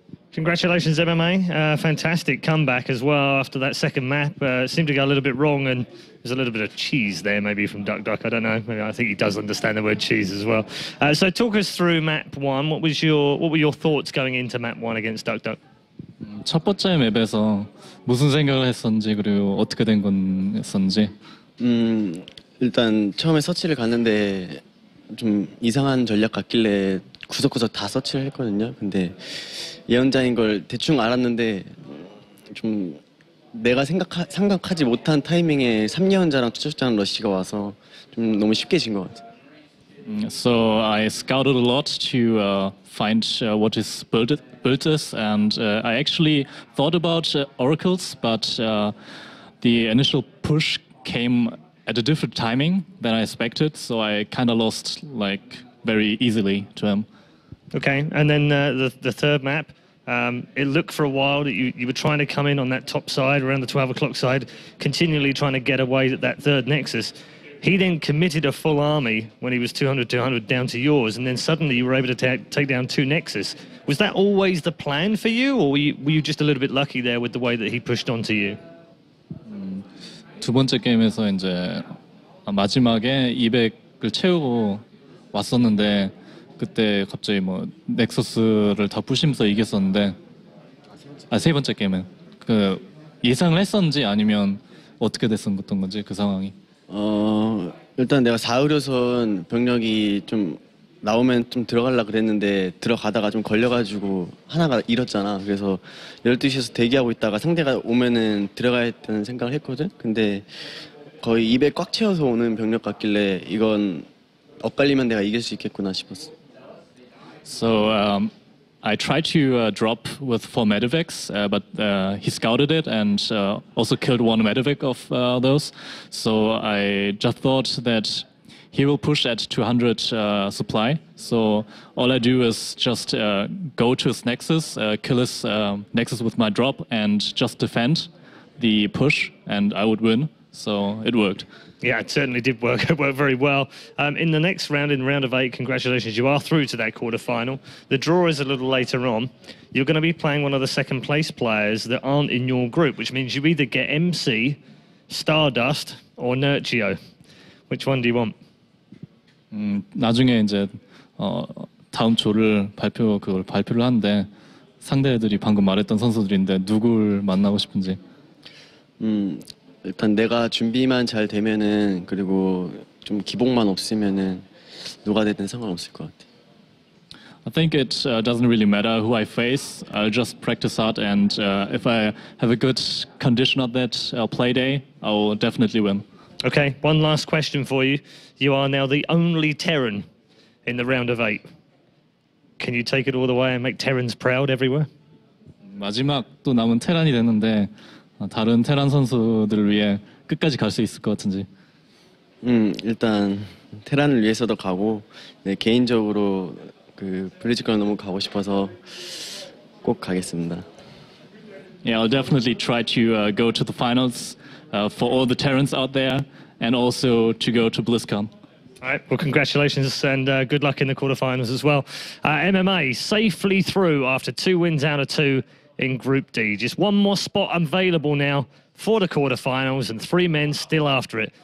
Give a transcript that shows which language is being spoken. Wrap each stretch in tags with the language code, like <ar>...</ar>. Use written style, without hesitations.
<en>Congratulations, MMA. Fantastic comeback as well after that second map. Seemed to go a little bit wrong, and there's a little bit of cheese there maybe from DuckDeok. I don't know. Maybe I think he does understand the word cheese as well. So talk us through map one. What was your what were your thoughts going into map one against DuckDeok?</en> <ko>첫 번째 맵에서 무슨 생각을 했었는지 그리고 어떻게 된 건지. 일단 처음에 서치를 갔는데 좀 이상한 전략 같길래 구석구석 다 서치를 했거든요. 근데 예언자인 걸 대충 알았는데 좀 내가 생각하지 못한 타이밍에 3예언자랑 투척자랑 러쉬가 와서 좀 너무 쉽게 진 것 같아요.</ko> <en>So I scouted a lot to find what his build is, and I actually thought about oracles, but the initial push came at a different timing than I expected, so I kind of lost like very easily to him. Okay, and then the third map. It looked for a while that you were trying to come in on that top side, around the 12 o'clock side, continually trying to get away at that third nexus. He then committed a full army when he was 200-200 down to yours, and then suddenly you were able to take down two nexus. Was that always the plan for you, or were you just a little bit lucky there with the way that he pushed onto you?</en> <ko>두 번째 게임에서 이제 마지막에 200을 채우고 왔었는데 그때 갑자기 뭐 넥서스를 다 부시면서 이겼었는데 아 세 번째 게임은 그 예상을 했었는지 아니면 어떻게 됐었던 건지 그 상황이 일단 내가 4의료선 병력이 좀 나오면 좀 들어가려고 그랬는데 들어가다가 좀 걸려가지고 하나가 잃었잖아 그래서 12시에서 대기하고 있다가 상대가 오면은 들어가야 했다는 생각을 했거든 근데 거의 입에 꽉 채워서 오는 병력 같길래 이건 엇갈리면 내가 이길 수 있겠구나 싶었어</ko> <en>So I tried to drop with four medivacs, but he scouted it and also killed one medivac of those. So I just thought that he will push at 200 supply. So all I do is just go to his nexus, kill his nexus with my drop, and just defend the push, and I would win. So it worked. Yeah, it certainly did work. It worked very well. In the next round, in round of eight, congratulations, you are through to that quarterfinal. The draw is a little later on. You're going to be playing one of the second place players that aren't in your group, which means you either get MC, Stardust, or Nurgio. Which one do you want?</en> <ko>나중에 이제 다음 조를 발표 그걸 발표를 하는데 상대들이 방금 말했던 선수들인데 누굴 만나고 싶은지. 일단 내가 준비만 잘 되면은 그리고 좀 기복만 없으면은 누가 되든 상관없을 것 같아.</ko> <en>I think it doesn't really matter who I face. I'll just practice hard, and if I have a good condition on that play day, I'll definitely win. Okay, one last question for you. You are now the only Terran in the round of eight. Can you take it all the way and make Terrans proud everywhere?</en> <ko>마지막 또 남은 테란이 됐는데. 다른 테란 선수들을 위해 끝까지 갈 수 있을 것 같은지. 일단 테란을 위해서도 가고 네, 개인적으로 그 브리즈건 너무 가고 싶어서 꼭 가겠습니다.</ko> <en>Yeah, I'll definitely try to go to the finals for all the Terrans out there and also to go to BlizzCon. All right, well, congratulations and good luck in the quarterfinals as well. MMA safely through after two wins out of two. In Group D, just one more spot available now for the quarterfinals, and three men still after it.</en>